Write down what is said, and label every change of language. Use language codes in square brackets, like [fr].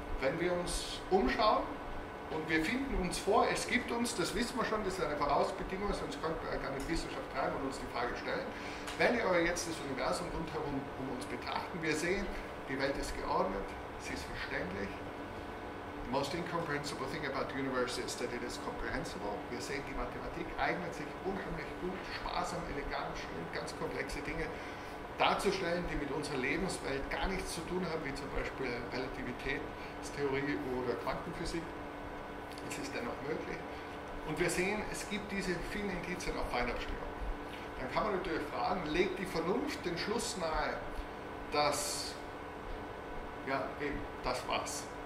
[de] Wenn wir uns umschauen und wir finden uns vor, es gibt uns, das wissen wir schon, das ist eine Vorausbedingung, sonst könnten wir gar nicht Wissenschaft treiben und uns die Frage stellen. Wenn wir aber jetzt das Universum rundherum um uns betrachten, wir sehen, die Welt ist geordnet, sie ist verständlich. [en] The most incomprehensible thing about the universe is that it is comprehensible. [de] Wir sehen, die Mathematik eignet sich unheimlich gut, sparsam, elegant, schön, ganz komplexe Dinge darzustellen, die mit unserer Lebenswelt gar nichts zu tun haben, wie zum Beispiel Relativitätstheorie oder Quantenphysik. Es ist dennoch möglich. Und wir sehen, es gibt diese vielen Indizien auf Feinabstimmung. Dann kann man natürlich fragen, legt die Vernunft den Schluss nahe, dass, ja, eben, das war's.